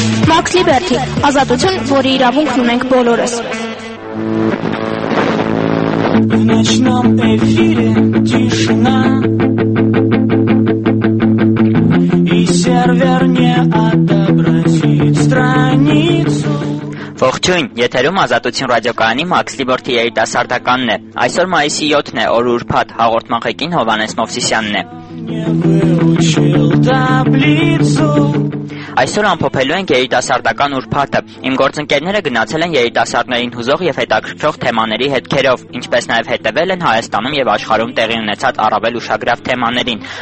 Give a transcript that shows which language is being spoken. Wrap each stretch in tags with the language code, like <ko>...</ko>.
<hy>Max Liberty, ազատություն, որի իրավունքն ունենք բոլորս։</hy> <ru>В ночном эфире тишина, и сервер не отобразит страницу.</ru> <hy>Ողջույն, եթերում ազատություն ռադիոկայանի Max Liberty երիտասարդականն է։ Այսօր մայիսի 7-ն է, օր ուրբաթ, հաղորդման ղեկին Հովհաննես Մովսիսյանն է։ Այսօր ամփոփելու ենք երիտասարդական ուրբաթը։ Իմ գործընկերները գնացել են երիտասարդներին հուզող և հետաքրքրող թեմաների հետքերով, ինչպես նաև հետևել են Հայաստանում և աշխարհում տեղի ունեցած առավել ուշագրավ թեմաներին,</hy>